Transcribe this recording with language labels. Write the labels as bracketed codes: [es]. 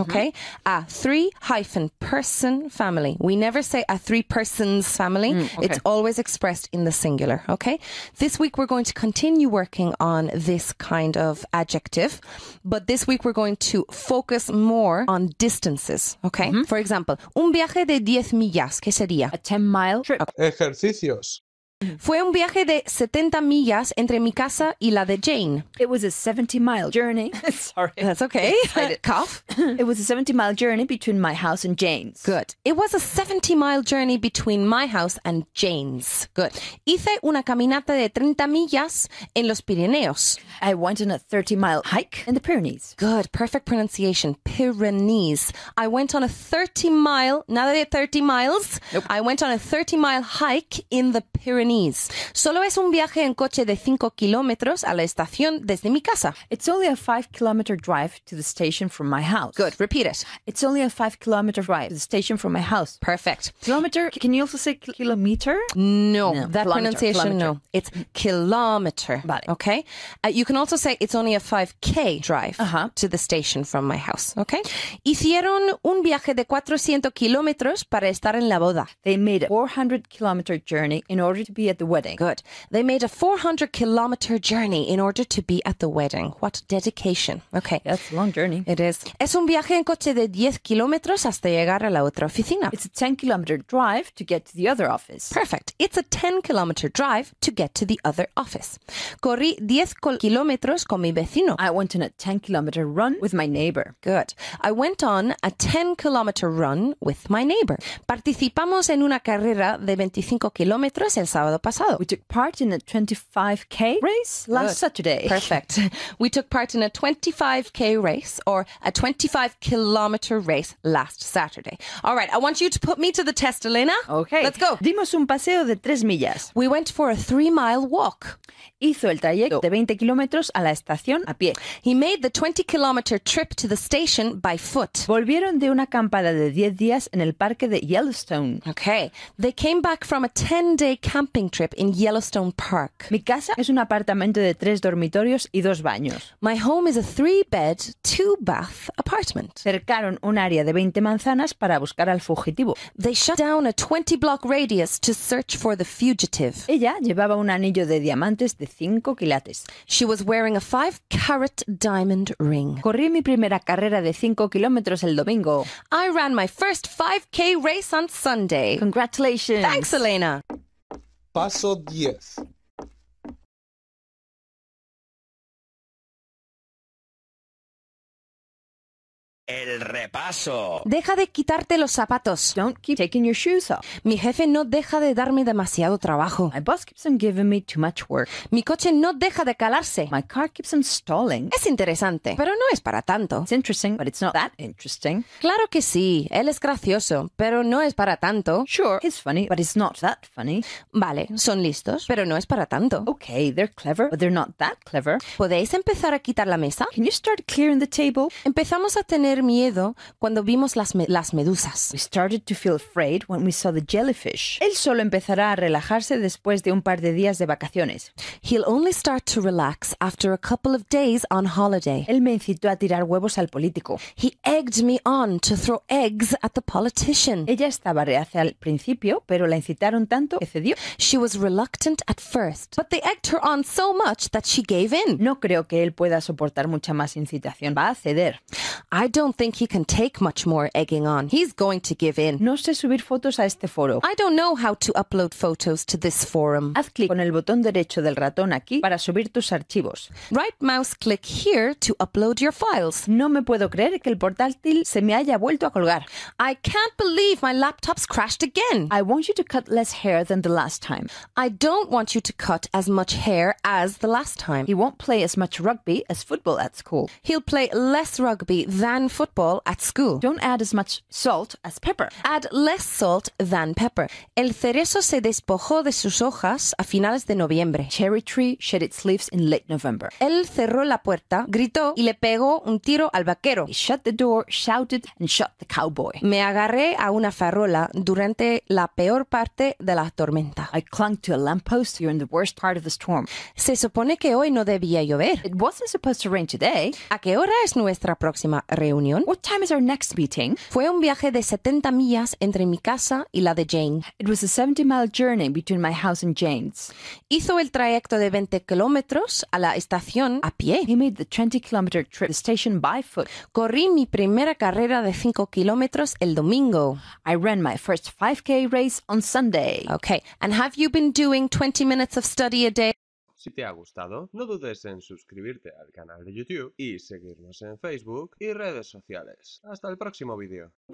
[en] Okay, a three-person family. We never say a three-persons family. Mm, okay. It's always expressed in the singular. Okay, this week we're going to continue working on this kind of adjective, but this week we're going to focus more on distances, okay? Mm-hmm. For example, [es] un viaje de 10 millas, ¿qué sería? [en] A 10-mile trip. [es] Okay. Ejercicios. Fue un viaje de 70 millas entre mi casa y la de Jane. [en] It was a 70-mile journey. Sorry. That's okay. Cough. It was a 70-mile journey between my house and Jane's. Good. It was a 70-mile journey between my house and Jane's. Good. [es] Hice una caminata de 30 millas en los Pirineos. [en] I went on a 30-mile hike in the Pyrenees. Good. Perfect pronunciation. Pyrenees. I went on a 30-mile, [es] nada de [en] 30 miles. Nope. I went on a 30-mile hike in the Pyrenees. [es] Solo es un viaje en coche de 5 kilómetros a la estación desde mi casa. [en] It's only a 5-kilometer drive to the station from my house. Good, repeat it. It's only a 5-kilometer drive to the station from my house. Perfect. Kilometer, can you also say kilometer? No, that kilometer, pronunciation, kilometer. No. It's kilometer. [es] Vale. [en] Okay? You can also say it's only a 5K drive to the station from my house. Okay? [es] Hicieron un viaje de 400 kilómetros para estar en la boda. [en] They made a 400-kilometer journey in order to be at the wedding. Good. They made a 400-kilometer journey in order to be at the wedding. What dedication. Okay. That's a long journey. It is. [es] Es un viaje en coche de 10 kilómetros hasta llegar a la otra oficina. [en] It's a 10-kilometer drive to get to the other office. Perfect. It's a 10-kilometer drive to get to the other office. [es] Corrí 10 kilómetros con mi vecino. [en] I went on a 10-kilometer run with my neighbor. Good. I went on a 10-kilometer run with my neighbor. [es] Participamos en una carrera de 25 kilómetros el sábado pasado. [en] We took part in a 25K race last Saturday. Perfect. We took part in a 25K race or a 25-kilometer race last Saturday. All right, I want you to put me to the test, Elena. Okay. Let's go. [es] Dimos un paseo de 3 millas. [en] We went for a 3-mile walk. [es] Hizo el trayecto de 20 kilómetros a la estación a pie. [en] He made the 20-kilometer trip to the station by foot. [es] Volvieron de una acampada de 10 días en el parque de Yellowstone. [en] Okay. They came back from a 10-day camping camping trip in Yellowstone Park. [es] Mi casa es un apartamento de 3 dormitorios y 2 baños. [en] My home is a 3-bed, 2-bath apartment. [es] Cercaron un área de 20 manzanas para buscar al fugitivo. [en] They shut down a 20-block radius to search for the fugitive. [es] Ella llevaba un anillo de diamantes de 5 quilates. [en] She was wearing a 5-carat diamond ring. [es] Corrí mi primera carrera de 5 kilómetros el domingo. [en] I ran my first 5K race on Sunday. Congratulations. Thanks, Elena. [es] Paso 10. El repaso. Deja de quitarte los zapatos. [en] Don't keep taking your shoes off. [es] Mi jefe no deja de darme demasiado trabajo. [en] My boss keeps on giving me too much work. [es] Mi coche no deja de calarse. [en] My car keeps on stalling. [es] Es interesante, pero no es para tanto. [en] It's interesting, but it's not that interesting. [es] Claro que sí, él es gracioso, pero no es para tanto. [en] Sure, he's funny, but it's not that funny. [es] Vale, son listos, pero no es para tanto. [en] Okay, they're clever, but they're not that clever. [es] ¿Podéis empezar a quitar la mesa? [en] Can you start clearing the table? [es] Empezamos a tener miedo cuando vimos las medusas. [en] We started to feel afraid when we saw the jellyfish. [es] Él solo empezará a relajarse después de un par de días de vacaciones. [en] He'll only start to relax after a couple of days on holiday. [es] Él me incitó a tirar huevos al político. [en] He egged me on to throw eggs at the politician. [es] Ella estaba reacia al principio, pero la incitaron tanto que cedió. [en] She was reluctant at first, but they egged her on so much that she gave in. [es] No creo que él pueda soportar mucha más incitación. Va a ceder. [en] I don't think he can take much more egging on. He's going to give in. [es] No sé subir fotos a este foro. [en] I don't know how to upload photos to this forum. [es] Haz clic con el botón derecho del ratón aquí para subir tus archivos. [en] Right mouse click here to upload your files. [es] No me puedo creer que el portátil se me haya vuelto a colgar. [en] I can't believe my laptop's crashed again. I want you to cut less hair than the last time. I don't want you to cut as much hair as the last time. He won't play as much rugby as football at school. He'll play less rugby than football at school. Don't add as much salt as pepper. Add less salt than pepper. [es] El cerezo se despojó de sus hojas a finales de noviembre. [en] Cherry tree shed its leaves in late November. [es] Él cerró la puerta, gritó y le pegó un tiro al vaquero. [en] He shut the door, shouted and shot the cowboy. [es] Me agarré a una farola durante la peor parte de la tormenta. [en] I clung to a lamppost during the worst part of the storm. [es] Se supone que hoy no debía llover. [en] It wasn't supposed to rain today. [es] ¿A qué hora es nuestra próxima reunión? [en] What time is our next meeting? [es] Fue un viaje de 70 millas entre mi casa y la de Jane. [en] It was a 70-mile journey between my house and Jane's. [es] Hizo el trayecto de 20 kilómetros a la estación a pie. [en] He made the 20-kilometer trip to the station by foot. [es] Corrí mi primera carrera de 5 kilómetros el domingo. [en] I ran my first 5K race on Sunday. Okay, and have you been doing 20 minutes of study a day? [es] Si te ha gustado, no dudes en suscribirte al canal de YouTube y seguirnos en Facebook y redes sociales. Hasta el próximo vídeo.